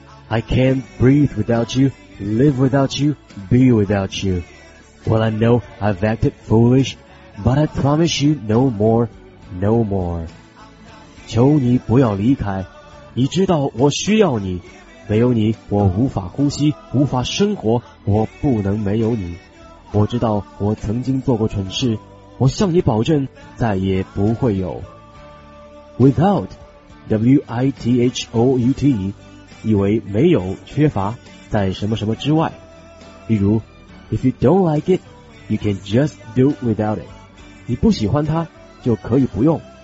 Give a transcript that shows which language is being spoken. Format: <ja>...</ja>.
<en>I can't breathe without you, live without you, be without you. Well, I know I've acted foolish, but I promise you no more, no more.</en> <zh>求你不要离开，你知道我需要你，没有你我无法呼吸，无法生活，我不能没有你。我知道我曾经做过蠢事，我向你保证再也不会有。 Without, W-I-T-H-O-U-T, 以为没有缺乏在什么什么之外，例如 If you don't like it, you can just do without it, 你不喜欢它就可以不用。</zh>